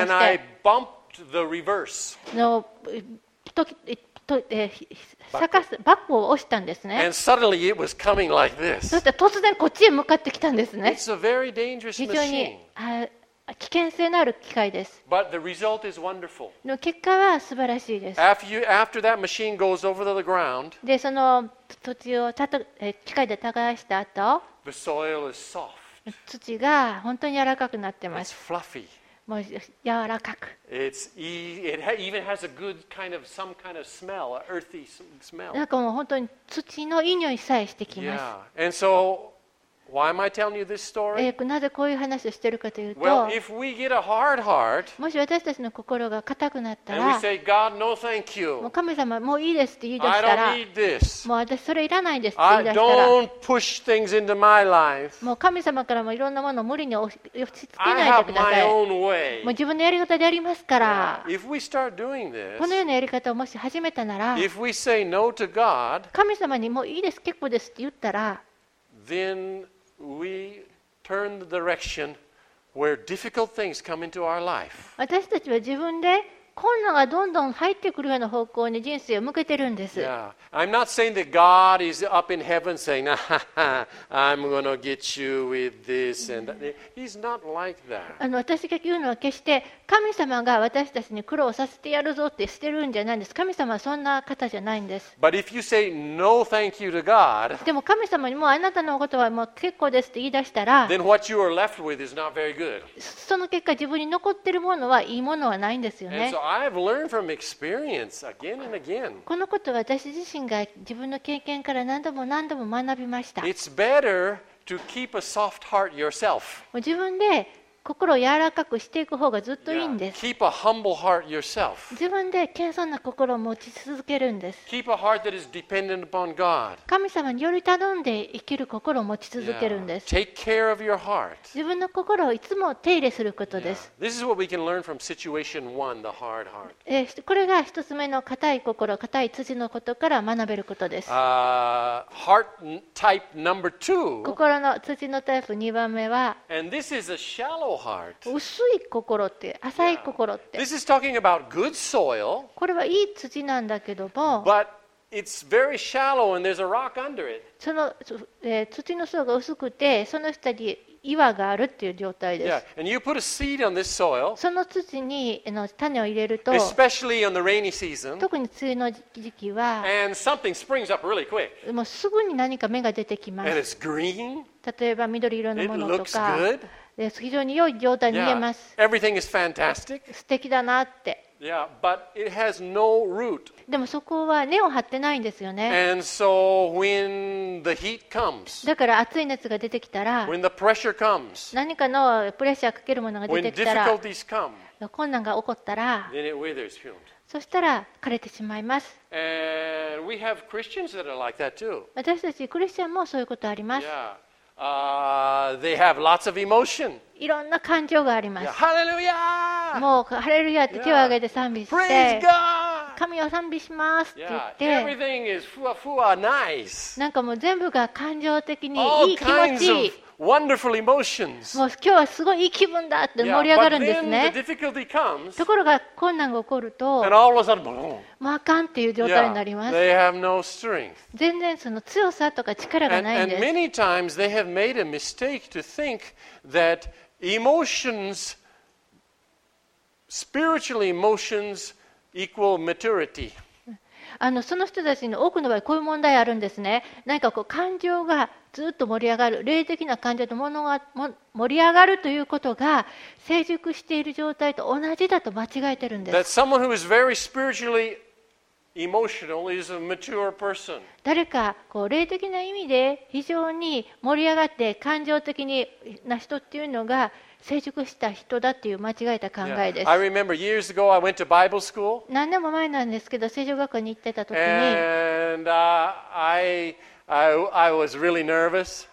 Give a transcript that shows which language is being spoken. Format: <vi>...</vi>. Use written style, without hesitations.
<en>And I bumped the reverse.</en> <ja>の時。逆すバックを押したんですね。</ja> <en>And suddenly it was coming like this.</en> <ja>そして突然こっちへ向かってきたんですね。</ja> <en>It's a very dangerous machine.</en> <ja>非常に危険性のある機械です。</ja> <en>But the result is wonderful.</en> <ja>の結果は素晴らしいです。</ja> <en>After that machine goes over the ground,</en> <ja>でその土地をたた機械で耕した後、</ja> <en>the soil is soft.</en> <ja>土が本当に柔らかくなってます。</ja> <en>It's fluffy.</en> <ja>もう柔らかく。</ja> <en>It's it even has a good kind of some kind of smell, an earthy smell.</en> <ja>なんかもう本当に土のいい匂いさえしてきます。</ja> <en>Yeah. And so, why am I telling you this story?</en> <ja>なぜこういう話をしているかというと、</ja> <en>well, if we get a hard heart,</en> <ja>もし私たちの心が固くなったら、</ja> <en>and we say, God, no, thank you.</en> <ja>もう神様もういいですって言い出したら、</ja> <en>I don't need this.</en> <ja>もう私それいらないですって言い出したら、</ja> <en>I don't push things into my life.</en> <ja>もう神様からもいろんなものを無理に押し付けないでください。</ja> <en>I have my own way.</en> <ja>もう自分のやり方でやりますから。</ja> <en>Yeah. If we start doing this,</en> <ja>このようなやり方をもし始めたなら、</ja> <en>if we say no to God,</en> <ja>神様にもういいです結構ですって言ったら、</ja> <en>then we turn the direction</en> <ja>私たちは自分で困難がどんどん入ってくるような方向に人生を向けてるんです。</ja> <en>Yeah. I'm not saying that God is up in heaven saying, I'm going to get you with this and that. He's not like that.</en> <ja>私が言うのは決して神様が私たちに苦労させてやるぞってしてるんじゃないんです。神様はそんな方じゃないんです。</ja> <en>But if you say no thank you to God,</en> <ja>でも神様にもうあなたのことはもう結構ですって言い出したら、</ja> <en>then what you are left with is not very good.</en> <ja>その結果自分に残ってるものはいいものはないんですよね。</ja> <en>So I've learned from experience again and again.</en> <ja>このことは私自身が自分の経験から何度も何度も学びました。</ja> <en>It's better to keep a soft heart yourself.</en> <ja>自分で心を柔らかくしていく方がずっといいんです。</ja> <en>Yeah. Keep a humble heart yourself.</en> <ja>自分で謙遜な心を持ち続けるんです。</ja> <en>Keep a heart that is dependent upon God.</en> <ja>神様により頼んで生きる心を持ち続けるんです。</ja> <en>Yeah. Take care of your heart.</en> <ja>自分の心をいつも手入れすることです。</ja> <en>Yeah. This is what we can learn from situation one, the hard heart.</en> <ja>これが一つ目の硬い心、硬い土のことから学べることです。</ja> <en>Heart type number two.</en> <ja>心の土のタイプ2番目は、</ja> <en>and this is a shallow.</en> <ja>薄い心って浅い心って、yeah.</ja> <en>This is talking about good soil,</en> <ja>これはいい土なんだけども</ja> <en>but it's very shallow and there's a rock under it.</en> <ja>その、土の層が薄くてその下に岩があるっていう状態です、</ja> <en>yeah. And you put a seed on this soil,</en> <ja>その土に種を入れると</ja> <en>especially on the rainy season,</en> <ja>特に梅雨の時期は</ja> <en>and something springs up really quick.</en> <ja>もうすぐに何か芽が出てきます</ja> <en>and it's green.</en> <ja>例えば緑色のものとか</ja> <en>it looks good.</en> <ja>非常に良い状態に見えます。</ja> <en>Yeah, everything is fantastic.</en> <ja>素敵だなって。</ja> <en>Yeah, but it has no root.</en> <ja>でもそこは根を張ってないんですよね。</ja> <en>And so when the heat comes,</en> <ja>だから熱い熱が出てきたら、</ja> <en>when the pressure comes,</en> <ja>何かのプレッシャーかけるものが出てきたら、</ja> <en>when difficulties come,</en> <ja>困難が起こったら、</ja> <en>then it withers, humed.</en> <ja>そしたら枯れてしまいます。</ja> <en>And we have Christians that are like that too.</en> <ja>私たちクリスチャンもそういうことあります。</ja> <en>Yeah. They have lots of emotion.</en> <ja>いろんな感情があります。ハレルヤ！もうハレルヤって手を挙げて賛美して、</ja> <en>Praise God!</en> <ja>神を賛美しますって言って、</ja> <en>Everything is</en> <ja>fuwa fuwa</ja> <en>nice.</en> <ja>なんかもう全部が感情的にいい気持ち。</ja> <en>Wonderful emotions.</en> <ja>もう今日はすごいいい気分だって盛り上がるんですね。</ja> <en>But then the difficulty comes.</en> <ja>ところが困難が起こると、</ja> <en>and all of a sudden, boom.</en> <ja>もうあかんっていう状態になります。</ja> <en>They have no strength.</en> <ja>全然その強さとか力がないんです。</ja> <en>And many times they have made a mistake to think that emotions, spiritual emotions, equal maturity.</en> <ja>その人たちの多くの場合こういう問題あるんですね。何かこう感情がずっと盛り上がる、霊的な感情と物が盛り上がるということが成熟している状態と同じだと間違えてるんです。</ja> <en>That someone who is very spiritually emotional is a mature person.</en> <ja>誰かこう霊的な意味で非常に盛り上がって感情的な人っていうのが成熟した人だっていう間違えた考えです。</ja> <en>I remember years ago I went to Bible school.</en> <ja>何年も前なんですけど、聖書学校に行ってた時に、</ja> <en>and I was really nervous.</en>